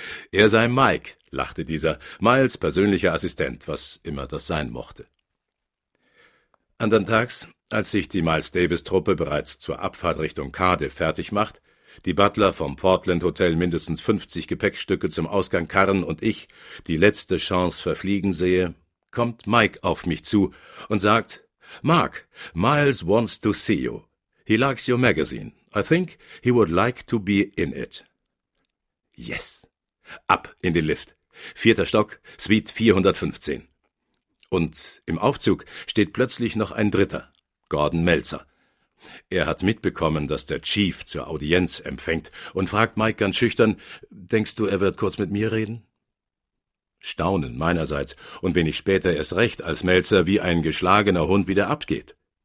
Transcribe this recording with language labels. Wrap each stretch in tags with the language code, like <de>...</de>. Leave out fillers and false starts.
<de>»Er sei Mike«, lachte dieser, »Miles persönlicher Assistent, was immer das sein mochte.« Andern Tags, als sich die Miles-Davis-Truppe bereits zur Abfahrt Richtung Cardiff fertig macht, die Butler vom Portland-Hotel mindestens 50 Gepäckstücke zum Ausgang karren und ich die letzte Chance verfliegen sehe, kommt Mike auf mich zu und sagt, »</de> <en>Mark, Miles wants to see you. He likes your magazine. I think he would like to be in it.« Yes.</en> <de>Ab in den Lift. Vierter Stock, Suite 415. Und im Aufzug steht plötzlich noch ein Dritter, Gordon Meltzer. Er hat mitbekommen, dass der Chief zur Audienz empfängt und fragt Mike ganz schüchtern, denkst du, er wird kurz mit mir reden? Staunen meinerseits und wenig später erst recht, als Meltzer wie ein geschlagener Hund wieder abgeht.</de>